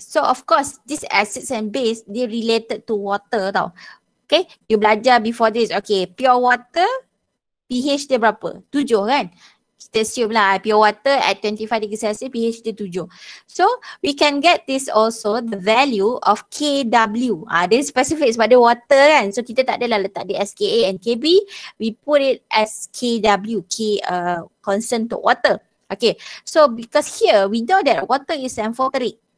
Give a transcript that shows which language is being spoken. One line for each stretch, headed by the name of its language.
English: So of course this acids and base
Malay: dia
English: related to water
Malay: tau.
English: Okay, you
Malay: belajar
English: before this. Okay, pure water pH
Malay: dia berapa?
English: 7 kan?
Malay: Kita
English: assume lah pure water at 25 degrees Celsius, pH
Malay: dia
English: 7. So we can get this also the value of KW.
Malay: Dia specific sebab dia water kan. So kita tak adalah letak dia SKA and KB.
English: We put it as KW, constant to water. Okay, so because here we know that water is amphoteric.